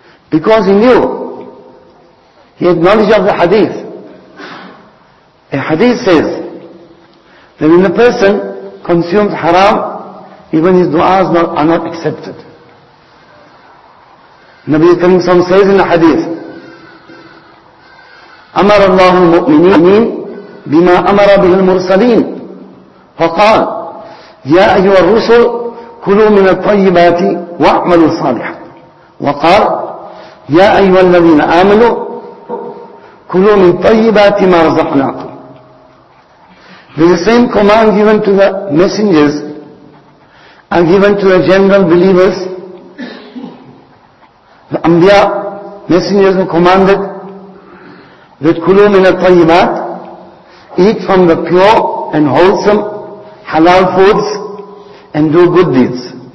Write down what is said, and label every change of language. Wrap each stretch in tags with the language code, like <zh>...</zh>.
<en>Because he knew, he had knowledge of the hadith. A hadith says that when a person consumes haram, even his du'as are not accepted.</en> <ar>Nabi Karim Sam says in the hadith, أمر الله المؤمنين بما أمر به المرسلين فقال يا أيها الرسل كلوا من الطيبات واعملوا صالحا وقال يا أيها الذين آمنوا كلوا من طيبات ما رزقناكم.</ar> <en>The same command given to the messengers and given to the general believers. The Anbiya, messengers were commanded that</en> <ar>kulu min al-tayyibat,</ar> <en>eat from the pure and wholesome halal foods and do good deeds.</en>